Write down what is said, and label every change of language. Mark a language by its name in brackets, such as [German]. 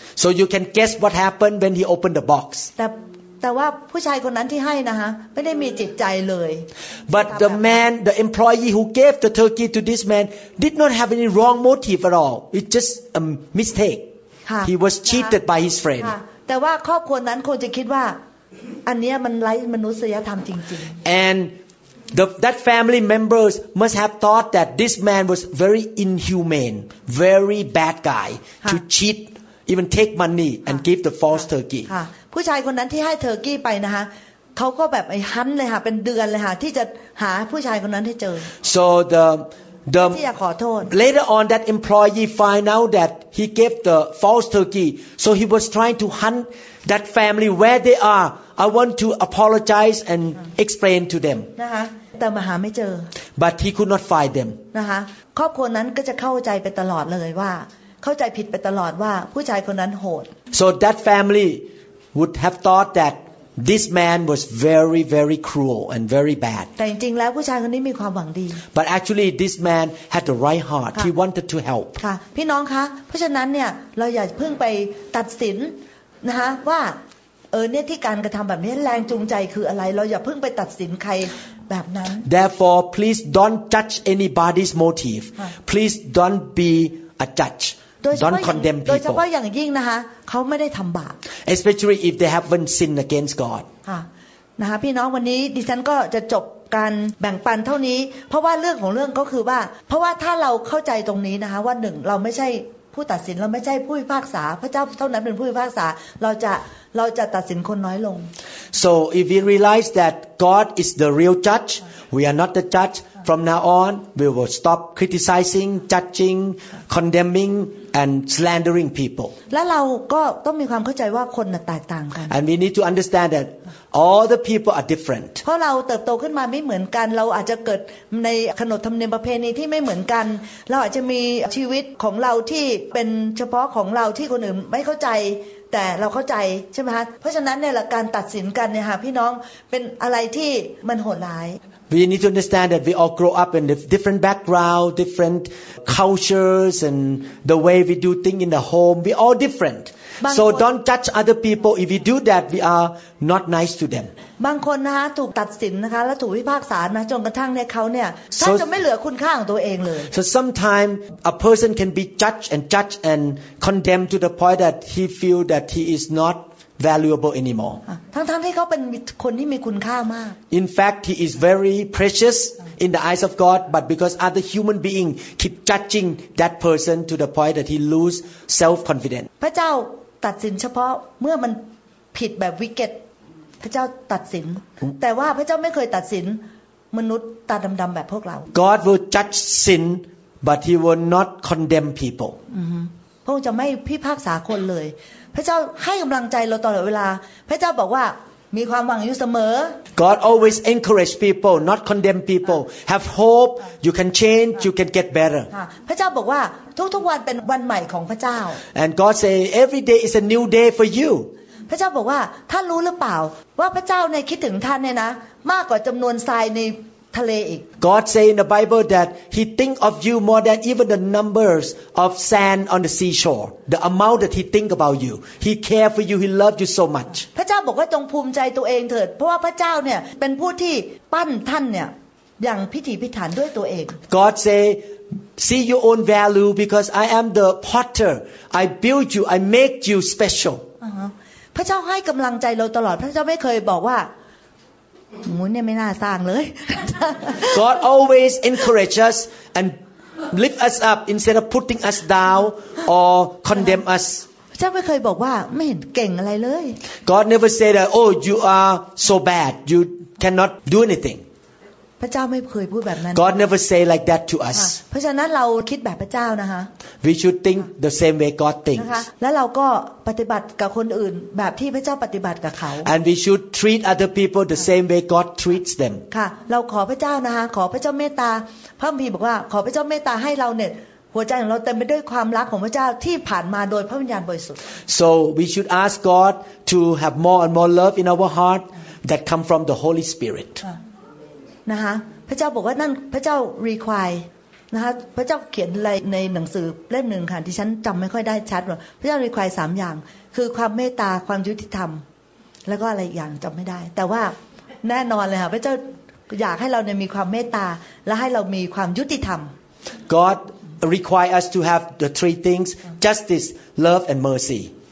[English] So you can guess what happened when he opened the box. [Thai] แต่ว่าผู้ชายคนนั้นที่ให้นะฮะไม่ได้มีจิตใจเลย [English] But the man the employee who gave the turkey to this man did not have any wrong motive at all it's just a mistake he was cheated by his friend [Thai] แต่ว่าครอบครัวนั้นคงจะคิดว่าอันเนี้ยมันไร้มนุษยธรรมจริง [English] ๆ andThat family members must have thought that this man was very inhumane very bad guy to cheat even take money and give the false turkey [Thai] ผู้ชายคนนั้นที่ให้เทอร์กี้ไปนะคะเขาก็แบบไอ้ฮันเลยค่ะเป็นเดือนเลยค่ะที่จะหาผู้ชายคนนั้นให้เจอ [English] So the [Thai] ที่อยากขอโทษ [English] Later on that employee find out that he gave the false turkey so he was trying to hunt that family where they are I want to apologize and explain to them [Thai] นะคะแต่มาหาไม่เจอ [English] But he could not find them [Thai] นะคะครอบครัวนั้นก็จะเข้าใจไปตลอดเลยว่าเข้าใจผิดไปตลอดว่าผู้ชายคนนั้นโหด [English] So that familywould have thought that this man was very very cruel and very bad [Thai] แต่จริงๆแล้วผู้ชายคนนี้มีความหวังดี [English] but actually this man had the right heart he wanted to help [Thai] ค่ะพี่น้องคะเพราะฉะนั้นเนี่ยเราอย่าเพิ่งไปตัดสินนะฮะว่าเนี่ยที่การกระทำแบบนี้แรงจูงใจคืออะไรเราอย่าเพิ่งไปตัดสินใครแบบนั้น [English] therefore please don't judge anybody's motive please don't be a judgeDon't condemn people. [Thai] โดยเฉพาะอย่างยิ่งนะคะเขาไม่ได้ทำบาป [English] Especially if they haven't sinned against God. [Thai] ค่ะนะคะพี่น้องวันนี้ดิฉันก็จะจบการแบ่งปันเท่านี้เพราะว่าเรื่องของเรื่องก็คือว่าเพราะว่าถ้าเราเข้าใจตรงนี้นะคะว่าหนึ่งเราไม่ใช่ผู้ตัดสินเราไม่ใช่ผู้พิพากษาพระเจ้าเท่านั้นเป็นผู้พิพากษาเราจะตัดสินคนน้อยลง [English] So if we realize that God is the real judge, we are not the judge. From now on, we will stop criticizing, judging, condemning, and slandering people. [Thai] และเราก็ต้องมีความเข้าใจว่าคนแตกต่างกัน [English] And we need to understand that all the people are different. [Thai] เพราะเราเติบโตขึ้นมาไม่เหมือนกันเราอาจจะเกิดในขนบธรรมเนียมประเพณีที่ไม่เหมือนกันเราอาจจะมีชีวิตของเราที่เป็นเฉพาะของเราที่คนอื่นไม่เข้าใจแต่เราเข้าใจใช่ไหมคะเพราะฉะนั้นเนี่ยการตัดสินกันเนี่ยค่ะพี่น้องเป็นอะไรที่มันโหดร้าย [English] We need to understand that we all grow up in different background, different cultures, and the way we do things in the home. We all different. So don't judge other people. If we do that, we are not nice to them. [Thai] บางคนนะคะถูกตัดสินนะคะและถูกพิพากษานะจนกระทั่งเนี่ยเขาเนี่ยแทบจะไม่เหลือคุณค่าของตัวเองเลย [English] So sometimes a person can be judged and condemned to the point that he feel that he is notvaluable anymore [Thai] ทั้งที่เขาเป็นคนที่มีคุณค่ามาก [English] In fact he is very precious in the eyes of God but because other human being keep judging that person to the point that he lose self confidence [Thai] พระเจ้าตัดสินเฉพาะเมื่อมันผิดแบบ wicked พระเจ้าตัดสินแต่ว่าพระเจ้าไม่เคยตัดสินมนุษย์ตาดำๆแบบพวกเรา [English] God will judge sin but he will not condemn people [Thai] พระองค์จะไม่พิพากษาคนเลยพระเจ้าให้กำลังใจเราตลอดเวลาพระเจ้าบอกว่ามีความหวังอยู่เสมอ [English] God always encourage people not condemn people have hope you can change you can get better [Thai] พระเจ้าบอกว่าทุกๆวันเป็นวันใหม่ของพระเจ้า [English] And God say every day is a new day for you [Thai] พระเจ้าบอกว่าท่านรู้หรือเปล่าว่าพระเจ้าในคิดถึงท่านเนี่ยนะมากกว่าจำนวนทรายในทะเลอีก [English] God say in the Bible that he think of you more than even the numbers of sand on the seashore the amount that he think about you he care for you he love you so much [Thai] พระเจ้าบอกว่าจงภูมิใจตัวเองเถิดเพราะว่าพระเจ้าเนี่ยเป็นผู้ที่ปั้นท่านเนี่ยอย่างพิถีพิถันด้วยตัวเอง [English] God say see your own value because I am the potter I build you I make you special [Thai] พระเจ้าให้กำลังใจเราตลอดพระเจ้าไม่เคยบอกว่ามูนเนี่ยไม่น่าสร้างเลย [English] God always encourage us and lift us up instead of putting us down or condemn us [Thai] พระเจ้าไม่เคยบอกว่าไม่เห็นเก่งอะไรเลย [English] God never say that oh you are so bad you cannot do anything [Thai] พระเจ้าไม่เคยพูดแบบนั้น [English] God never say like that to us [Thai] เพราะฉะนั้นเราคิดแบบพระเจ้านะคะ [English] We should think the same way God thinks [Thai] แล้วเราก็ปฏิบัติกับคนอื่นแบบที่พระเจ้าปฏิบัติกับเขา [English] And we should treat other people the same way God treats them [Thai] ค่ะเราขอพระเจ้านะคะขอพระเจ้าเมตตาพระคัมภีร์บอกว่าขอพระเจ้าเมตตาให้เราเนี่ยหัวใจของเราเต็มไปด้วยความรักของพระเจ้าที่ผ่านมาโดยพระวิญญาณบริสุทธิ์ [English] So we should ask God to have more and more love in our heart that come from the Holy Spirit [Thai] นะคะพระเจ้าบอกว่านั่นพระเจ้า require นะคะพระเจ้าเขียนอะไรในหนังสือเล่มหนึ่งค่ะที่ฉันจำไม่ค่อยได้ชัดว่าพระเจ้า require 3 อย่างคือความเมตตาความยุติธรรมแล้วก็อะไรอย่างจำไม่ได้แต่ว่าแน่นอนเลยค่ะพระเจ้าอยากให้เราเนี่ยมีความเมตตาและให้เรามีความยุติธรรม [English] God require us to have the three things justice love and mercy